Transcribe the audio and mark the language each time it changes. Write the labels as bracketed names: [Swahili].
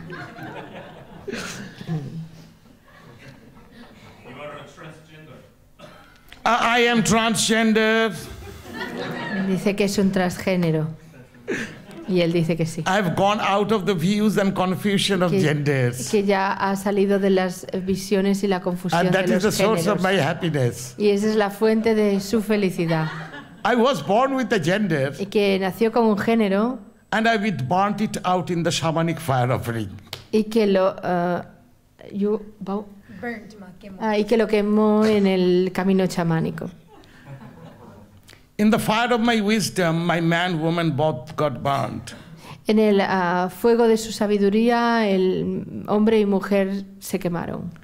[English] You are transgender. I am transgender. [Spanish] Dice que es un transgénero. Y él dice que sí. [English] I've gone out of the views and confusion of genders. [Spanish] Que ya ha salido de las visiones y la confusión de los géneros. [English] And that is the source of my happiness. [Spanish] Y esa es la fuente de su felicidad. [English] I was born with a gender. [Spanish] Y que nació con un género. [English] And I burnt it out in the shamanic fire offering. [Spanish] Y que lo y que lo quemó en el camino chamánico. [English] In the fire of my wisdom, my man, woman, both got burned. [Spanish] En el fuego de su sabiduría, el hombre y mujer se quemaron.